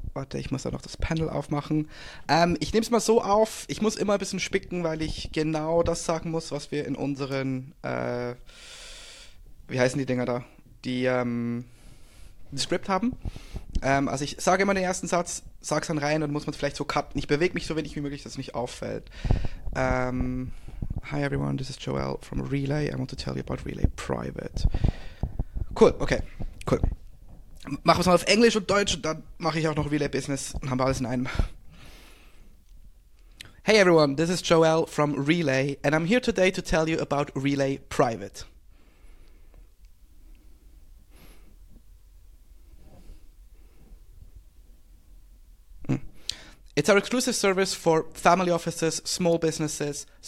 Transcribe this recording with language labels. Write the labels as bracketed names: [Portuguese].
[German] Warte, ich muss da noch das Panel aufmachen. Ich nehme es mal so auf, ich muss immer ein bisschen spicken, weil ich genau das sagen muss, was wir in unseren wie heißen die Dinger da? Die Script haben. Also ich sage immer den ersten Satz, sag's dann rein und muss man vielleicht so cutten. Ich bewege mich so wenig wie möglich, dass es nicht auffällt. [English] Hi everyone, this is Joel from Relay. I want to tell you about Relay Private. Cool, okay, cool. [German] Machen wir es mal auf Englisch und Deutsch und dann mache ich auch noch Relay Business und haben wir alles in einem. [English] Hey everyone, this is Joel from Relay and I'm here today to tell you about Relay Private. It's our exclusive service for family offices, small businesses.